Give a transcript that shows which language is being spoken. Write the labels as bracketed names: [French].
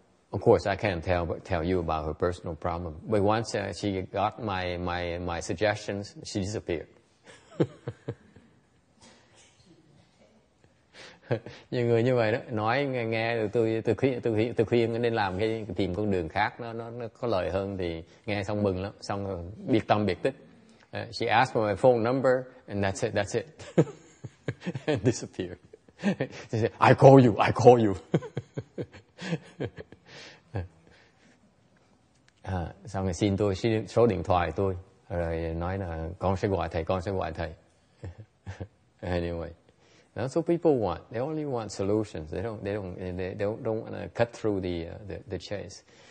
[English] Of course, I can't tell you about her personal problem. But once she got my suggestions, she disappeared. [Vietnamese] Nhiều người như vậy đó, nói nghe tôi khuyên nên làm cái tìm con đường khác nó có lợi hơn thì nghe xong mừng lắm, xong biệt tâm biệt tích. [English] She asked for my phone number and that's it. And disappeared. She said, I call you. [Vietnamese] Xong rồi xin tôi số điện thoại tôi, rồi nói là con sẽ gọi thầy. [English] Anyway, that's what people want. They only want solutions. They don't want to cut through the chase.